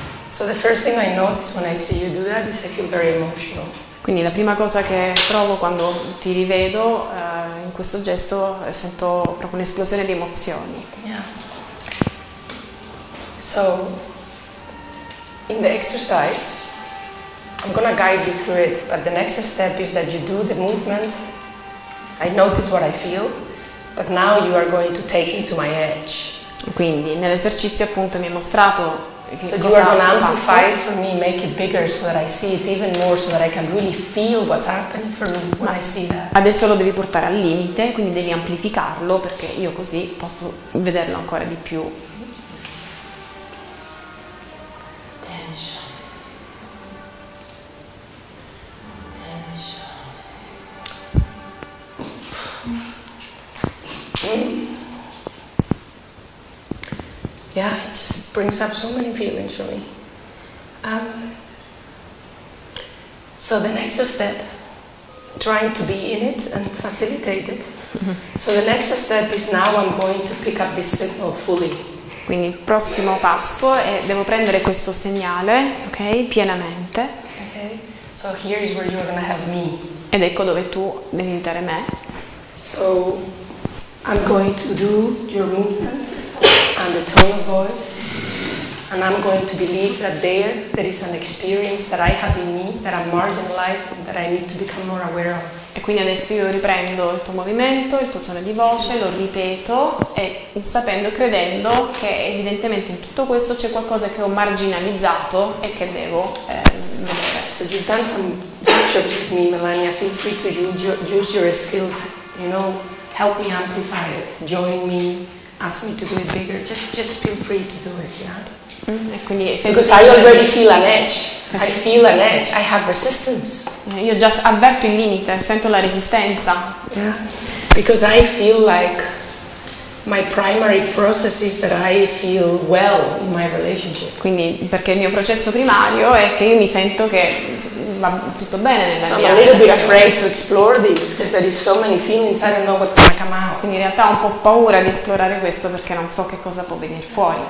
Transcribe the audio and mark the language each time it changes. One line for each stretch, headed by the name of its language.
English: So the first thing I notice when I see you do that is I feel very emotional.
Italian: Quindi la prima cosa che provo quando ti rivedo in questo gesto sento proprio un'esplosione di emozioni.
English: Yeah. So in the exercise I'm gonna guide you through it, but the next step is that you do the movement. I notice what I feel, but now you are going to take it to my edge.
Italian: Quindi nell'esercizio appunto mi hai mostrato
English: So you are going to amplify it for me, make it bigger so that I see it even more, so that I can really feel what's happening for me when I see that.
Italian: Adesso lo devi portare al limite, quindi devi amplificarlo perché io così posso vederlo ancora di più.
English: Yeah, it just brings up so many feelings for me. So the next step, trying to be in it and facilitate it. Mm-hmm. So the next step is now I'm going to pick up this signal fully.
Italian: Quindi il prossimo passo è devo prendere questo segnale, ok, pienamente.
English: Okay. So here is where you're gonna have me.
Italian: Ed ecco dove tu devi aiutare me.
English: So I'm going to do your movement. And the tone of voice, and I'm going to believe that there is an experience that I have in me that I'm marginalized and that I need to become more aware of.
Italian: E quindi adesso io riprendo il tuo movimento, il tuo tono di voce, lo ripeto, e sapendo, credendo che evidentemente in tutto questo c'è qualcosa che ho marginalizzato e che devo vedere.
English: So you've done some workshops with me, Melania, feel free to use your skills, you know, help me amplify it, join me. Ask me to do it bigger. Just feel free to do it, yeah. Because I already feel an edge. I feel an edge. I have resistance.
Italian: Io già avverto il limite, sento la resistenza.
English: Because I feel like my primary process is that I feel well in my relationship.
Italian: Quindi perché il mio processo primario è che io mi sento che va tutto bene nella mia.
English: I'm a little bit afraid to explore this because there is so many feelings. I don't know what's gonna come out.
Italian: Quindi in realtà ho un po' paura di esplorare questo perché non so che cosa può venire fuori.